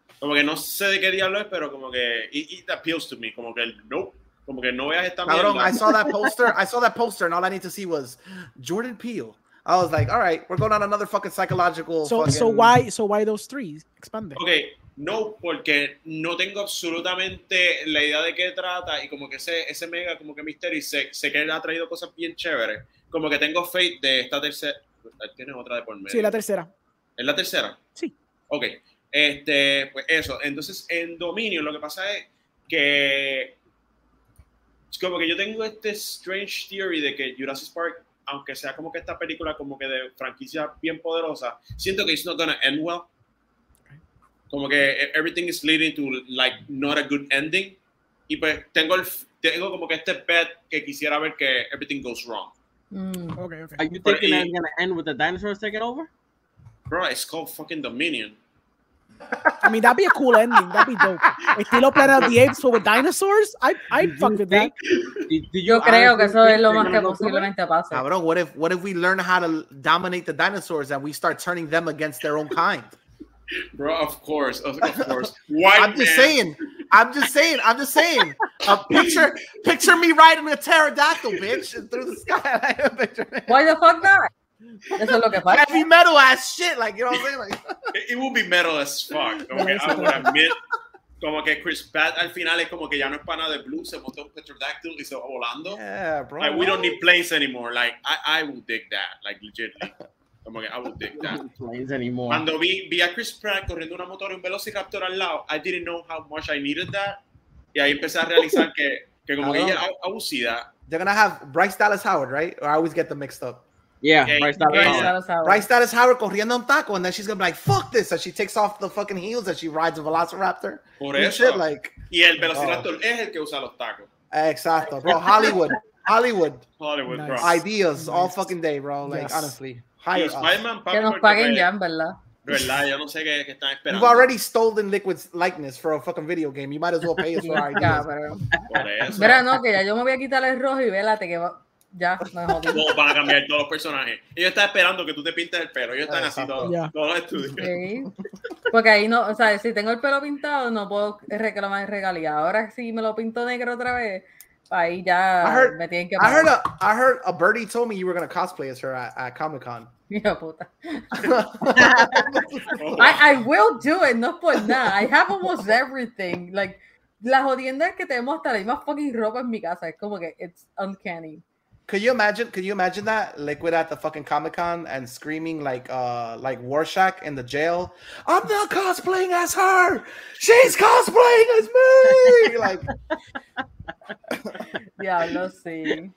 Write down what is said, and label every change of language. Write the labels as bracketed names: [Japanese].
[Spanish] Como que no sé de qué diablo es, pero como que [English] it appeals to me. [Spanish] Como que el Nope. Como que no veas esta cabrón, mierda. [English] I saw that poster, and all I need to see was Jordan Peele. I was like, all right, we're going on another fucking psychological. So why those three? Expand it. [Spanish] Okay, no, porque no tengo absolutamente la idea de qué trata, y como que ese mega como que misterio, y sé que él ha traído cosas bien chéveres. Como que tengo faith de esta tercera. ¿Tienes otra de por medio? Sí, la tercera. ¿Es la tercera? Sí. Okay, pues eso. Entonces, en Dominio lo que pasa es que... Es como que yo tengo este strange theory de que Jurassic Park, aunque sea como que esta película como que de franquicia bien poderosa, siento que [English] it's not gonna end well. [Spanish] Como que [English] everything is leading to, like, not a good ending. [Spanish] Y pues tengo como que este bet que quisiera ver que [English] everything goes wrong. Okay. Are you thinking that it's gonna end with the dinosaurs taking over? Bro, it's called fucking Dominion. I mean, that'd be a cool ending. That'd be dope. Estilo Planet of the Apes, but with dinosaurs? I'd fuck with that. [Spanish] Yo creo que eso es lo más que posiblemente pase. [English] Cabrón, what if we learn how to dominate the dinosaurs and we start turning them against their own kind? Bro, of course. Why, I'm just saying. I'm just saying. A picture me riding a pterodactyl, bitch, through the sky. Why the fuck not? [Spanish] Eso es lo que pasa. [English] Heavy metal ass shit, like, you know what I'm saying? It will be metal as fuck. [Spanish] Como que, [English] I would admit, [Spanish] como que Chris Pratt al final es como que ya no es pana de blue, se montó un pterodactyl y se va volando. [English] Yeah, bro. Like, we don't need planes anymore. Like, I would dig that. Like, legitimately. Como que, I would dig that. Planes anymore. [Spanish] Cuando vi a Chris Pratt corriendo una motora y un Velociraptor al lado, [English] I didn't know how much I needed that. [Spanish] Y ahí empecé a realizar que como que ella, [English] I would see that. They're gonna have Bryce Dallas Howard, right? Or I always get them mixed up. Yeah, Bryce Dallas Howard [Spanish] corriendo un taco, [English] and then she's gonna be like, fuck this, and she takes off the fucking heels and she rides a Velociraptor. [Spanish] Por eso. [English] Shit, like, [Spanish] y el Velociraptor es el que usa los tacos. Exacto, bro. Hollywood. Hollywood. [English] Hollywood, nice. Bro. Ideas nice. All fucking day, bro. Like, yes. Honestly. Hire us. Spider-Man, [Spanish] que nos paguen ya, en verdad. Verdad, yo no sé qué están esperando. [English] You've already stolen Liquid's likeness for a fucking video game. You might as well pay us for our ideas. [Spanish] Por eso. Mira, no, que ya yo me voy a quitar el rojo y vélate que va... Ya, no, van a cambiar todos los personajes. Ellos están esperando que tú te pintes el pelo. Ellos están así todos los estudios. Okay. Porque ahí no, o sea, si tengo el pelo pintado, no puedo reclamar en regalía. Ahora sí me lo pinto negro otra vez. Ahí ya me tienen que pagar. [English] I heard a birdie told me you were going to cosplay as her at Comic Con. [Spanish] Mira, puta. [English] I will do it, [Spanish] no por nada. [English] I have almost everything. [Spanish] Like, la jodienda es que tenemos hasta la misma fucking ropa en mi casa. Es como que [English] it's uncanny. Can you imagine that Liquid at the fucking Comic-Con and screaming like Warshak in the jail? I'm not cosplaying as her. She's cosplaying as me. Like, yeah, no, see.